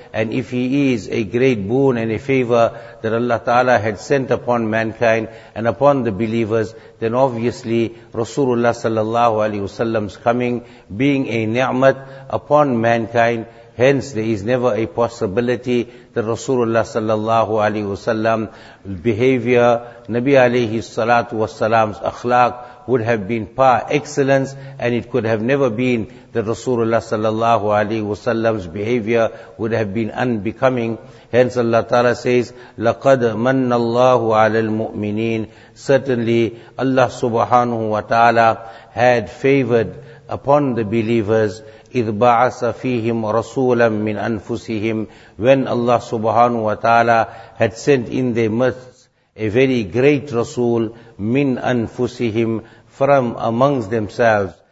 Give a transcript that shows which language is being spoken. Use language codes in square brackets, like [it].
[en] And if he is a great boon and a favor that Allah ta'ala had sent upon mankind and upon the believers, then obviously Rasulullah sallallahu alayhi wasallam's coming being a ni'mat upon mankind, hence there is never a possibility that Rasulullah sallallahu alayhi wasallam behavior, Nabi alayhi salatu wasalam's akhlaq would have been par excellence, and it could have never been that Rasulullah sallallahu alayhi wasallam's behavior would have been unbecoming. Hence Allah Ta'ala says, [ar] لَقَدْ مَنَّ اللَّهُ عَلَى الْمُؤْمِنِينَ. [en] Certainly Allah subhanahu wa ta'ala had favored upon the believers, [ar] إِذْ بَعَثَ فِيهِمْ رَسُولًا مِّنْ أَنفُسِهِمْ. [en] When Allah subhanahu wa ta'ala had sent in their midst a very great Rasul, [ar] مِّنْ أَنفُسِهِمْ, [en] from amongst themselves.